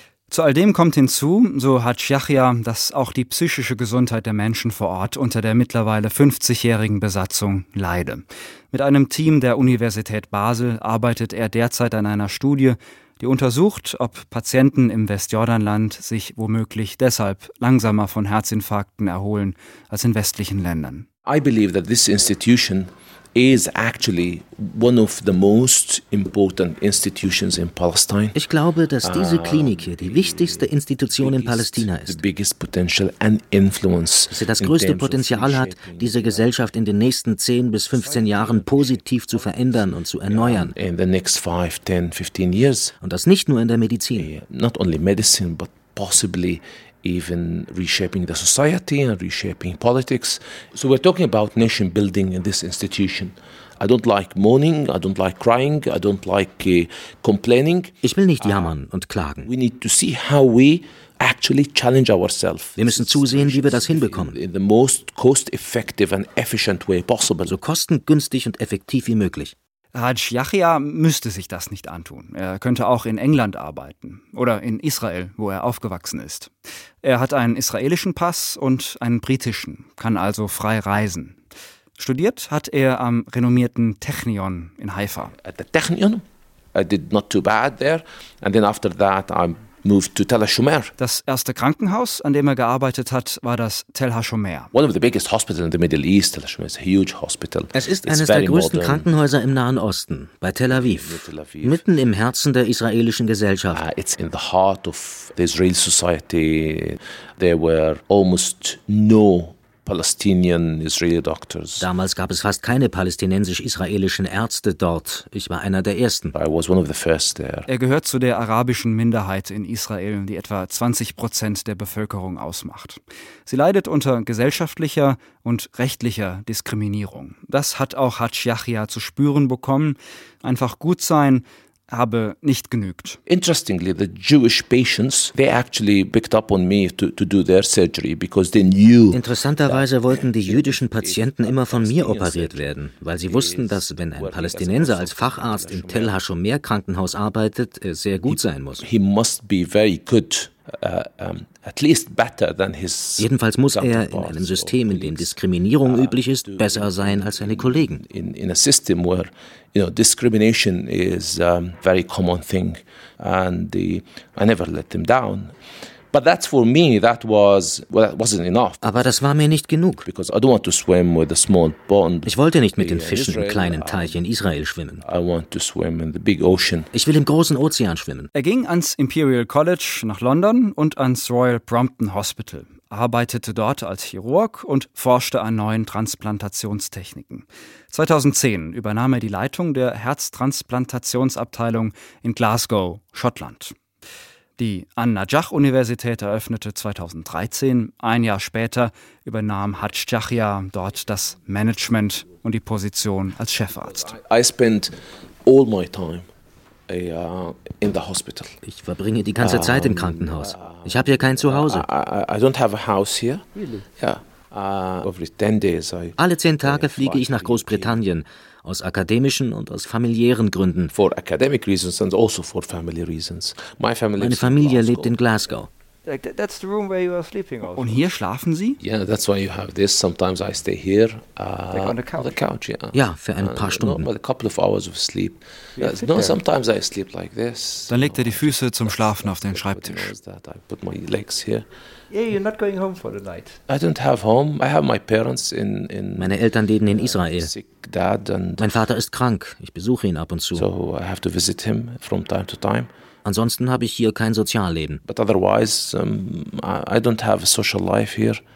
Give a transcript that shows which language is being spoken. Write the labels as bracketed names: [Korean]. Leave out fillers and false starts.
[German] Zu all dem kommt hinzu, so Hadj Yahya, dass auch die psychische Gesundheit der Menschen vor Ort unter der mittlerweile 50-jährigen Besatzung leide. Mit einem Team der Universität Basel arbeitet er derzeit an einer Studie, die untersucht, ob Patienten im Westjordanland sich womöglich deshalb langsamer von Herzinfarkten erholen als in westlichen Ländern. [English] I believe that this institution is actually one of the most important institutions in Palestine. [German] Ich glaube, dass diese Klinik hier die wichtigste Institution in Palestina ist. [English] The biggest potential and influence. [German] Sie das größte Potenzial hat, diese Gesellschaft in den nächsten 10 bis 15 Jahren positiv zu verändern und zu erneuern. [English] In the next 5, 10, 15 years. [German] Und das nicht nur in der Medizin. [English] Not only medicine, but possibly even reshaping the society and reshaping politics. So we're talking about nation building in this institution. I don't like moaning, I don't like crying, I don't like complaining. [German] Ich will nicht jammern und klagen. [English] We need to see how we actually challenge ourselves. [German] Wir müssen zusehen, wie wir das hinbekommen. [English] In the most cost-effective and efficient way possible. [German] So kostengünstig und effektiv wie möglich. Haj Yahya müsste sich das nicht antun. Er könnte auch in England arbeiten oder in Israel, wo er aufgewachsen ist. Er hat einen israelischen Pass und einen britischen, kann also frei reisen. Studiert hat er am renommierten Technion in Haifa. [English] At the Technion, I did not too bad there, and then after that I moved to Tel HaShomer. [German] Das erste Krankenhaus, an dem er gearbeitet hat, war das Tel HaShomer. [English] One of the biggest hospitals in the Middle East. Tel HaShomer is a huge hospital. [German] Es ist eines der größten Krankenhäuser im Nahen Osten, bei Tel Aviv, mitten im Herzen der israelischen Gesellschaft. [English] It's in the heart of the Israeli society. There were almost no Palestinian Israeli doctors. [German] Damals gab es fast keine palästinensisch-israelischen Ärzte dort. Ich war einer der Ersten. [English] I was one of the first there. [German] Er gehört zu der arabischen Minderheit in Israel, die etwa 20% der Bevölkerung ausmacht. Sie leidet unter gesellschaftlicher und rechtlicher Diskriminierung. Das hat auch Haj Yahya zu spüren bekommen. Einfach gut sein habe nicht genügt. [English] Interestingly, the Jewish patients, they actually picked up on me to do their surgery because they knew. [German] Interessanterweise wollten die jüdischen Patienten immer von mir operiert werden, weil sie wussten, dass wenn ein Palästinenser als Facharzt im Tel HaShomer Krankenhaus arbeitet, er sehr gut sein muss. [English] He must be very good. At least better than his. [German] Jedenfalls muss er in einem System, in dem Diskriminierung üblich ist, besser sein als seine Kollegen. [English] In a system where, you know, discrimination is a very common thing, and I never let them down. But that's for me. That was, well, that wasn't enough. [German] Aber das war mir nicht genug. [English] Because I don't want to swim with a small pond. [German] Ich wollte nicht mit den Fischen im kleinen Teich in Israel schwimmen. [English] I want to swim in the big ocean. [German] Ich will im großen Ozean schwimmen. Er ging ans Imperial College nach London und ans Royal Brompton Hospital, arbeitete dort als Chirurg und forschte an neuen Transplantationstechniken. 2010 übernahm er die Leitung der Herztransplantationsabteilung in Glasgow, Schottland. Die An-Najah-Universität eröffnete 2013. Ein Jahr später übernahm Haj Yahya dort das Management und die Position als Chefarzt. [English] I spend all my time in the hospital. [German] Ich verbringe die ganze Zeit im Krankenhaus. Ich habe hier kein Zuhause. [English] I don't have a house here. Really? Yeah. Every 10 days [German] alle 10 Tage fliege ich nach Großbritannien. Aus akademischen und aus familiären Gründen. [English] For academic reasons and also for family reasons. My family [German] Meine Familie lebt in Glasgow. [English] Like that's the room where you are sleeping also. [German] Und hier schlafen Sie? [English] Yeah, that's why you have this. Sometimes I stay here. Like on the couch. On the couch, yeah. [German] Ja, für ein paar Stunden. [English] No, a couple of hours of sleep. No, sometimes I sleep like this. [German] Dann legt er die Füße zum Schlafen auf den Schreibtisch. [English] I put my legs here. Yeah, you're not going home for the night. I don't have home. I have my parents in [German] Meine Eltern leben in Israel. [English] Sick dad and [German] mein Vater ist krank. Ich besuche ihn ab und zu. [English] So I have to visit him from time to time. [German] Ansonsten habe ich hier kein Sozialleben. [English] But otherwise, I don't have a social life here.